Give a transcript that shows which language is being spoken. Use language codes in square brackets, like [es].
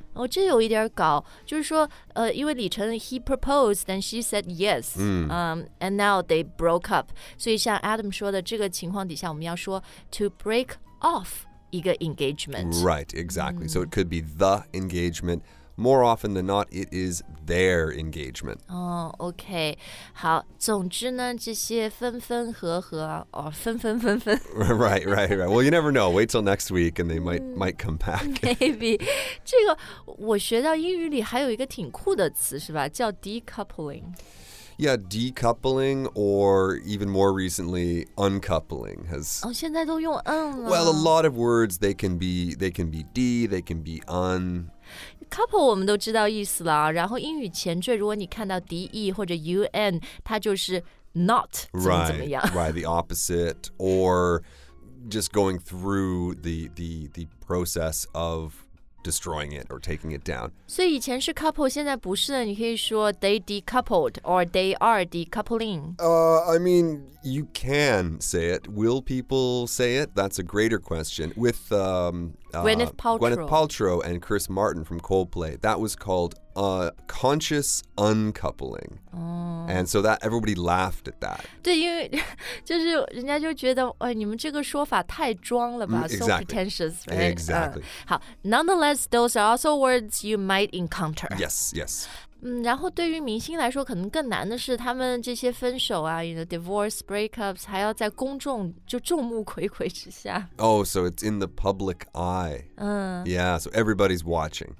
[zh] 哦，这有一点搞，就是说，因为 [en] 李晨 he proposed and she said yes, and now they broke up. [zh] 所以像 Adam 说的，这个情况底下，我们要说 [en] to break off [zh] 一个 engagement. [en] Right, exactly. So it could be the engagement more often than not, it is their engagement. Oh, okay. [zh] 好，总之呢，这些分分合合，哦，分分分分。 [en] Right, right, right. Well, you never know. Wait till next week and they might come back. Maybe. [zh] 这个我学到英语里还有一个挺酷的词，是吧？叫 decoupling。 [en] Yeah, decoupling, or even more recently, uncoupling has... [zh] Oh, 现在都用 un 了。 [en] Well, a lot of words, they can be de, they can be un. [zh] Couple 我们都知道意思了，然后英语前缀，如果你看到 de 或者 un, 它就是 not 怎么怎么样。 [en] Right, the opposite, or just going through the process of... destroying it or taking it down. [zh] 所以以前是 couple, 现在不是的。你可以说 [en] they decoupled or they are decoupling. I mean, you can say it. Will people say it? That's a greater question. With Gwyneth Paltrow and Chris Martin from Coldplay, that was called conscious uncoupling. Oh. And so that everybody laughed at that. [zh] 对，因为就是人家就觉得，哎，你们这个说法太装了吧 [en] ？Exactly. So pretentious, right? Exactly. 好 ，nonetheless, those are also words you might encounter. Yes. Yes. [zh] 然后对于明星来说可能更难的是他们这些分手啊 [en] you know, divorce, breakups, [zh] 还要在公众就众目睽睽之下。 [en] Oh, so it's in the public eye. Yeah, so everybody's watching.